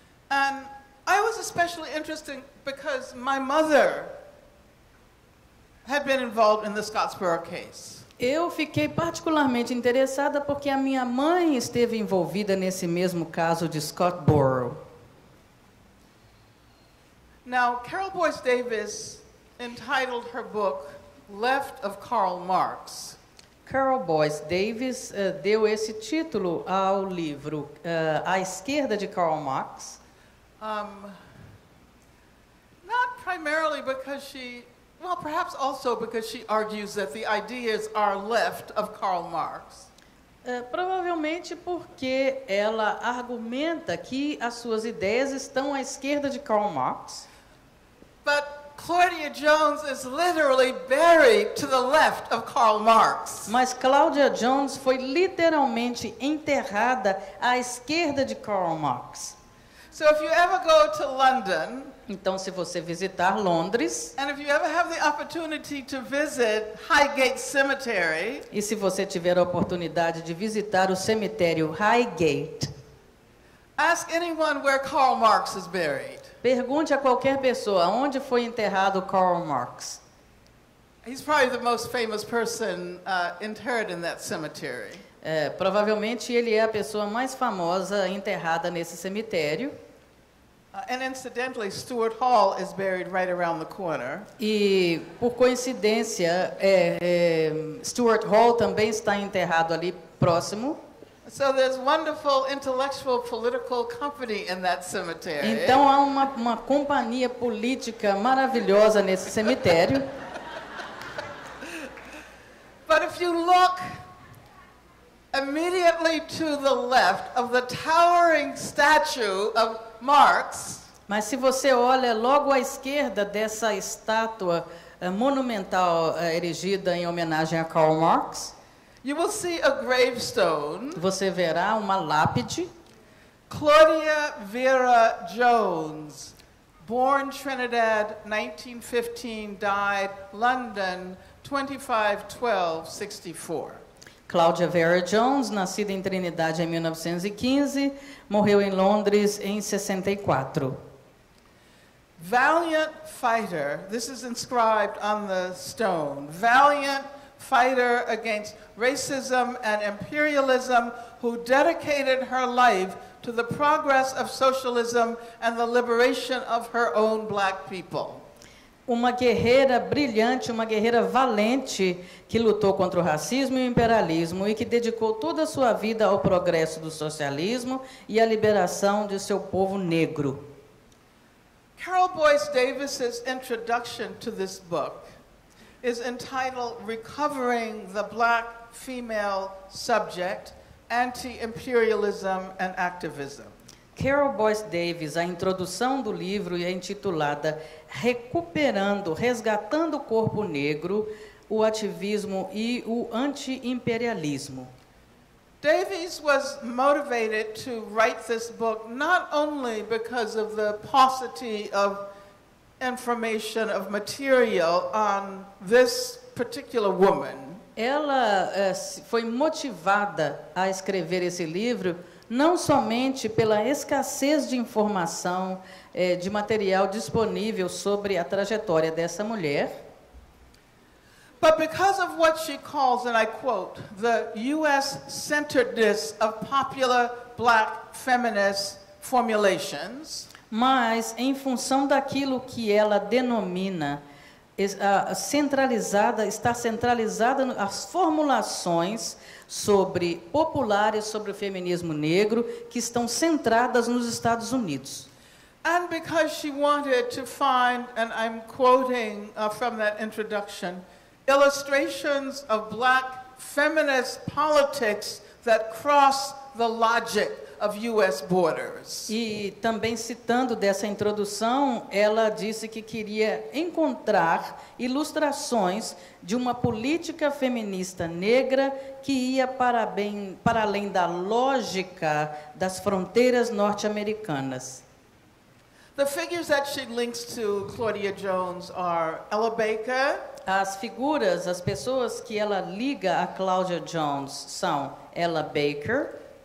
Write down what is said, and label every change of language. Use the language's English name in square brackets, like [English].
[English] And I was especially interested because my mother had been involved in the Scottsboro case. [Portuguese] Eu fiquei particularmente interessada porque a minha mãe esteve envolvida nesse mesmo caso de Scottsboro. [English] Now, Carol Boyce Davis entitled her book Left of Karl Marx. [Portuguese] Carol Boyce Davis deu esse título ao livro A Esquerda de Karl Marx. [English] Not primarily because she, well, perhaps also because she argues that the ideas are left of Karl Marx. [Portuguese] Provavelmente porque ela argumenta que as suas ideias estão à esquerda de Karl Marx. [English] But Claudia Jones is literally buried to the left of Karl Marx. [Portuguese] Mas Claudia Jones foi literalmente enterrada à esquerda de Karl Marx. [English] So if you ever go to London, [Portuguese] então se você visitar Londres, [English] and if you ever have the opportunity to visit Highgate Cemetery, [Portuguese] e se você tiver a oportunidade de visitar o cemitério Highgate, [English] ask anyone where Karl Marx is buried. [Portuguese] Pergunte a qualquer pessoa onde foi enterrado Karl Marx. [English] He's probably the most famous person interred in that cemetery. [Portuguese] Provavelmente ele é a pessoa mais famosa enterrada nesse cemitério. [English] And incidentally, Stuart Hall is buried right around the corner. [Portuguese] E por coincidência, Stuart Hall também está enterrado ali próximo. [English] So there's wonderful intellectual political company in that cemetery. [Portuguese] Então há uma companhia política maravilhosa nesse cemitério. [English] But if you look immediately to the left of the towering statue of Marx. [Portuguese] Mas se você olha logo à esquerda dessa estátua monumental erigida em homenagem a Karl Marx, [English] you will see a gravestone. [Portuguese] Você verá uma lápide. [English] Claudia Vera Jones, born Trinidad 1915, died London 25/12/64. [Portuguese] Claudia Vera Jones, nascida em Trinidade em 1915, morreu em Londres em 64. [English] Valiant fighter. This is inscribed on the stone. Valiant fighter against racism and imperialism who dedicated her life to the progress of socialism and the liberation of her own black people. [Portuguese] Uma guerreira brilhante, uma guerreira valente que lutou contra o racismo e o imperialismo e que dedicou toda a sua vida ao progresso do socialismo e à liberação de seu povo negro. [English] Carol Boyce Davis's introduction to this book is entitled Recovering the Black Female Subject, Anti-Imperialism and Activism. [Portuguese] Carol Boyce Davis, a introdução do livro é intitulada Recuperando, Resgatando o Corpo Negro, o Ativismo e o Anti-Imperialismo. [English] Davis was motivated to write this book not only because of the paucity of information, of material on this particular woman. [Portuguese] Ela foi motivada a escrever esse livro não somente pela escassez de informação, de material disponível sobre a trajetória dessa mulher, [English] but because of what she calls, and I quote, the U.S. centeredness of popular black feminist formulations. [Portuguese] Mas em função daquilo que ela denomina centralizada as formulações sobre populares sobre o feminismo negro que estão centradas nos Estados Unidos. [English] And because she wanted to find, and I'm quoting from that introduction, illustrations of black feminist politics that cross the logic of US borders. [Portuguese] E também citando dessa introdução, ela disse que queria encontrar ilustrações de uma política feminista negra que ia para além da lógica das fronteiras norte-americanas. [English] The figures that she links to Claudia Jones are Ella Baker. [Portuguese] As figuras, as pessoas que ela liga a Claudia Jones são Ella Baker.